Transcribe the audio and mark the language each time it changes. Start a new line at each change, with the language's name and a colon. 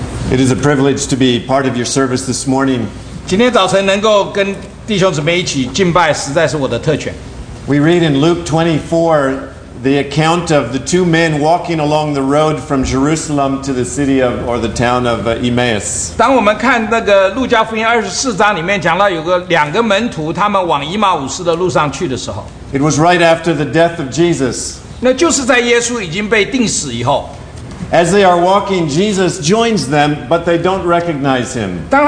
English: It is a privilege to be part of your service this morning.
Chinese: 今天早晨能够跟弟兄姊妹一起敬拜，实在是我的特权。
English: We read in Luke 24 the account of the two men walking along the road from Jerusalem to the city of or the town of Emmaus.
Chinese: 当我们看那个路加福音24章里面讲到，有个两个门徒，他们往以马忤的路上去的时候。
English: It was right after the death of Jesus.
Chinese: 那就是在耶稣已经被钉死以后。
English: As they are walking, Jesus joins them, but they don't recognize him.